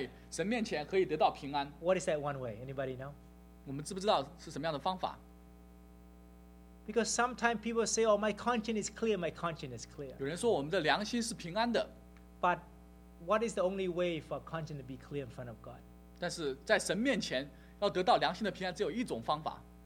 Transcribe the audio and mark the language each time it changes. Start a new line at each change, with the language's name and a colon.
Chinese: 只有一种方法，我们的良心在神面前可以得到平安。
English: What is that one way? Anybody know?
Chinese: 我们知不知道是什么样的方法？
English: Because sometimes people say, oh, my conscience is clear, my conscience is clear.
Chinese: 有人说我们的良心是平安的。
English: But what is the only way for conscience to be clear in front of God?
Chinese: 但是在神面前要得到良心的平安只有一种方法。